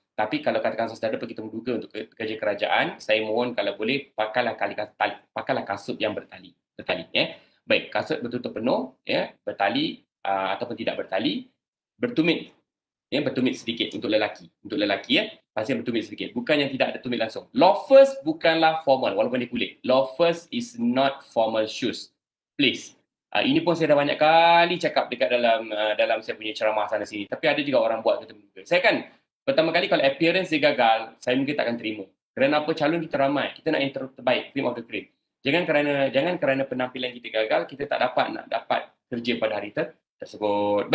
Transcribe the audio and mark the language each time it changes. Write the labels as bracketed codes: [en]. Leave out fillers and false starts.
[ms] Tapi kalau katakan saudara pergi temu duga untuk kerja kerajaan, saya mohon kalau boleh pakailah kasut yang bertali. Baik, kasut bertutup penuh, bertali ataupun tidak bertali, bertumit. Bertumit sedikit untuk lelaki. Untuk lelaki, pasti bertumit sedikit. Bukan yang tidak ada tumit langsung. Loafers bukanlah formal walaupun dia kulit. [en] Loafers is not formal shoes. Please. [ms] Ini pun saya dah banyak kali cakap dekat dalam saya punya ceramah sana sini. Tapi ada juga orang buat ketemu juga. Saya kan, pertama kali kalau appearance dia gagal, saya mungkin tak akan terima. Kerana apa? Calon kita ramai. Kita nak yang terbaik. [en] Cream of the cream. [ms] Jangan kerana penampilan kita gagal, kita tak dapat nak dapat kerja pada hari tersebut.